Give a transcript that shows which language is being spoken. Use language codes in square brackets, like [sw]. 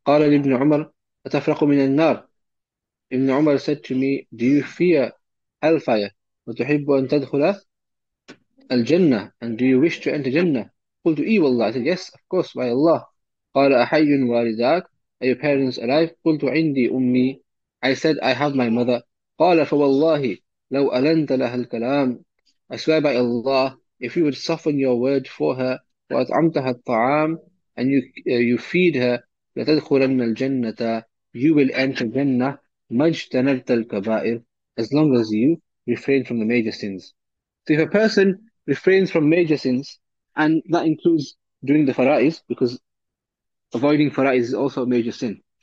[ar] قال ابن عمر أتفرق من النار. [en] Ibn Umar said to me, do you fear hellfire? [ar] وتحب أن تدخل الجنة, [en] and do you wish to enter Jannah? [ar] قلت إي والله. [en] I said, yes, of course, by Allah. [ar] قال أحي والداك, [en] are your parents alive? [ar] قلت عندي أمي. [en] I said, I have my mother. [ar] قال فوالله لو ألنت لها الكلام. [en] I swear by Allah, if you would soften your word for her, [ar] وأطعمتها الطعام, [en] and you feed her, [ar] لتدخلن الجنة, [en] you will enter Jannah, [ar] ما اجتنبت الكبائر, [en] as long as you refrain from the major sins. So if a person refrains from major sins, and that includes doing the fara'is, because avoiding fara'is is also a major sin.